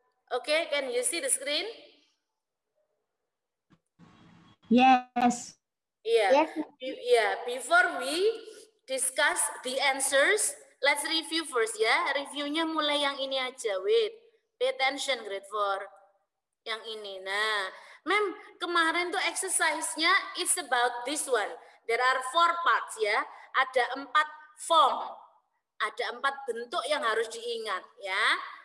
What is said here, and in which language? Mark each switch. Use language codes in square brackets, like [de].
[en] Oke, okay, can you see the screen? Yes. Yeah. Yes. Yeah. Before we discuss the answers, let's review first ya. Yeah. [id] Reviewnya mulai yang ini aja. [en] Wait, pay attention grade 4. [id] Yang ini. Nah, mem, kemarin tuh exercise-nya [en] it's about this one. There are 4 parts ya. Yeah. [id] Ada 4 form. Ada 4 bentuk yang harus diingat ya.